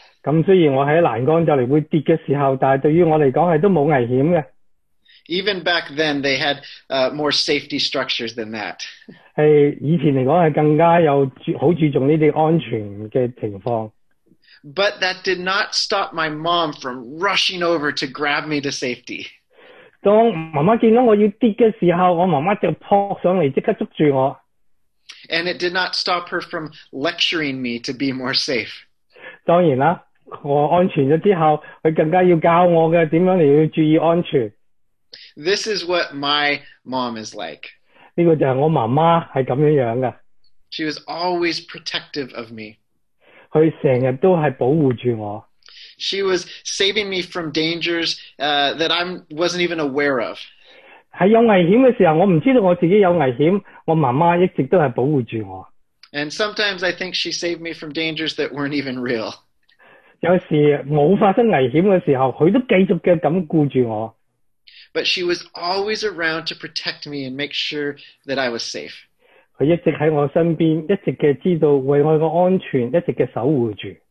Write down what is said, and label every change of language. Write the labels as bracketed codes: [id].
[yue] 咁雖然我喺欄杆就嚟會跌嘅時候，但係對於我嚟講係都冇危險嘅。 [en] Even back then, they had more safety structures than that. [yue] 係以前嚟講係更加有好注重呢啲安全嘅情況。 [en] But that did not stop my mom from rushing over to grab me to safety. [yue] 当妈妈见到我要跌嘅时候，我妈妈就扑上嚟，即刻捉住我。 [en] And it did not stop her from lecturing me to be more safe. [yue] 当然啦，我安全咗之后，佢更加要教我嘅点样嚟要注意安全。 [en] This is what my mom is like. [yue] 呢个就系我妈妈系咁样样嘅。 [en] She was always protective of me. [yue] 佢成日都系保护住我。 [en] She was saving me from dangers that I wasn't even aware of. [yue] 喺有危险嘅时候，我唔知道我自己有危险，我妈妈一直都系保护住我。 [en] And sometimes I think she saved me from dangers that weren't even real. [yue] 有时冇发生危险嘅时候，佢都继续嘅咁顾住我。 [en] But she was always around to protect me and make sure that I was safe. [yue] 佢一直喺我身边，一直嘅知道为我个安全，一直嘅守护住。